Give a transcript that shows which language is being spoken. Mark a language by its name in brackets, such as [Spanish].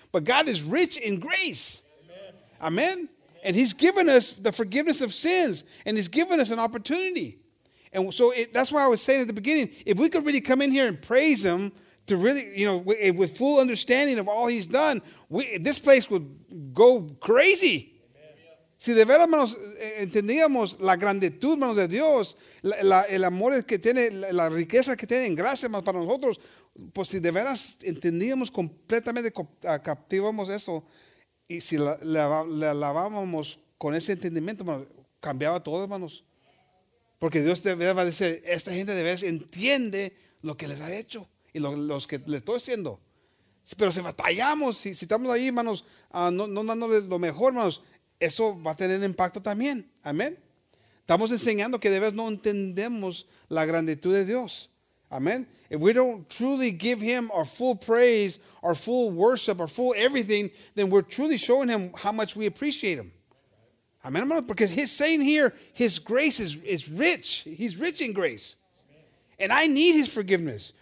[English] But God is rich in grace. Amen. And he's given us the forgiveness of sins. And he's given us an opportunity. And so that's why I was saying at the beginning, if we could really come in here and praise him to really, with full understanding of all he's done, this place would go crazy. [Spanish] Si de verdad, hermanos, entendíamos la grandeza, hermanos, de Dios, el amor que tiene, la riqueza que tiene en gracia, hermanos, para nosotros, pues si de veras entendíamos completamente, captivamos eso, y si la lavábamos con ese entendimiento, hermanos, cambiaba todo, hermanos. Porque Dios de verdad va a decir, esta gente de veras entiende lo que les ha hecho y los que le estoy haciendo. Pero si batallamos, si estamos ahí, hermanos, no dándole lo mejor, hermanos, eso va a tener impacto también. Amén. Estamos enseñando que de vez no entendemos la grandeza de Dios. Amén. [English] If we don't truly give him our full praise, our full worship, our full everything, then we're truly showing him how much we appreciate him. Amén, hermano. Because he's saying here, his grace is rich. He's rich in grace. And I need his forgiveness.